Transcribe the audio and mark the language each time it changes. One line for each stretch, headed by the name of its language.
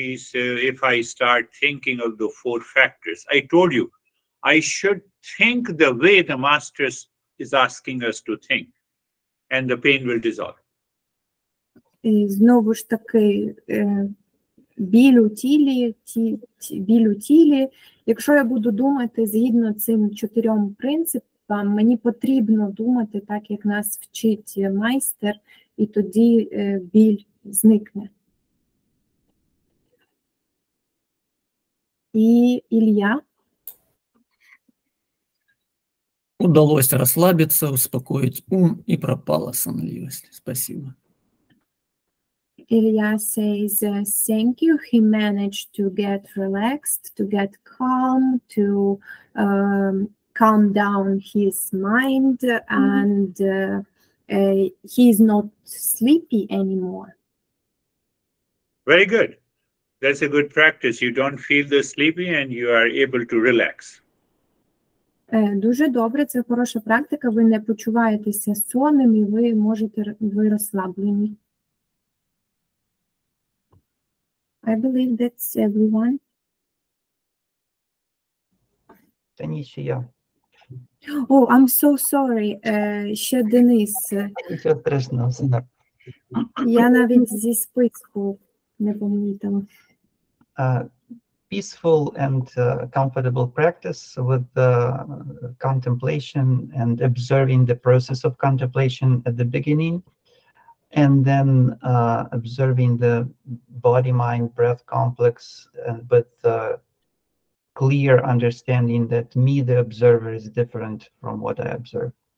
English: So if I start thinking of the four factors, I told you, I should think the way the master is asking us to think, and the pain will dissolve.
Ukrainian: І знову ж таки, біль у тілі. Якщо я буду думати згідно цим чотирьом принципам, мені потрібно думати так, як нас вчить майстер, і тоді біль зникне. І Ілля? Удалося розслабитися, успокоїти ум, і пропала сонливість.
Russian: Спасибо.
English: Ілля says, thank you. He managed to get relaxed, to get calm, to calm down his mind, and he is not sleepy anymore. Very good. That's a good practice. You don't feel the sleepy and you are able to relax.
Ukrainian: Дуже добре, це хороша практика. Ви не почуваєтеся сонним і ви можете бути розслаблені.
English: I believe that's everyone.
Ukrainian: Та ні, ще я.
English: Oh, I'm so sorry.
Ukrainian: Ще Денис. Нічого страшного, все нормально. Я навіть зі списку не помітила.
English: peaceful and comfortable practice with contemplation and observing the process of contemplation at the beginning, and then observing the body mind breath complex, and with clear understanding that me, the observer, is different from what I observe.